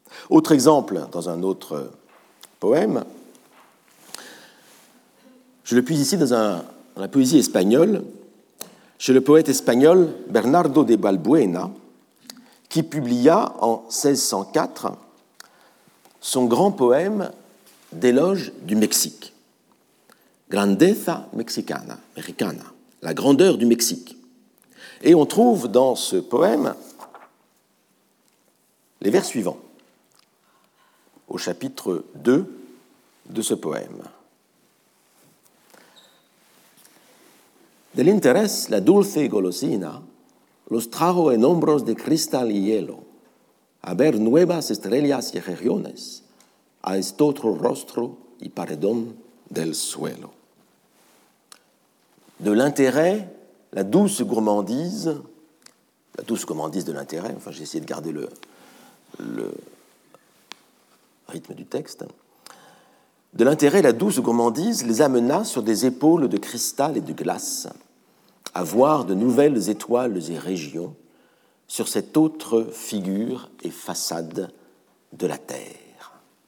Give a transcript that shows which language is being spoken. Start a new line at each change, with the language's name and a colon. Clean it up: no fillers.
French: Autre exemple, dans un autre poème, je le puise ici dans la poésie espagnole, chez le poète espagnol Bernardo de Balbuena, qui publia en 1604 son grand poème d'éloge du Mexique, Grandeza Mexicana, Mexicana, la grandeur du Mexique. Et on trouve dans ce poème les vers suivants, au chapitre 2 de ce poème.
Spanish: Del interés la dulce golosina, los trajo en hombros de cristal y hielo, a ver nuevas estrellas y regiones, a este otro rostro y paredón del suelo.
French: De l'intérêt, la douce gourmandise de l'intérêt, enfin j'ai essayé de garder le rythme du texte, de l'intérêt, la douce gourmandise les amena sur des épaules de cristal et de glace, à voir de nouvelles étoiles et régions sur cette autre figure et façade de la Terre.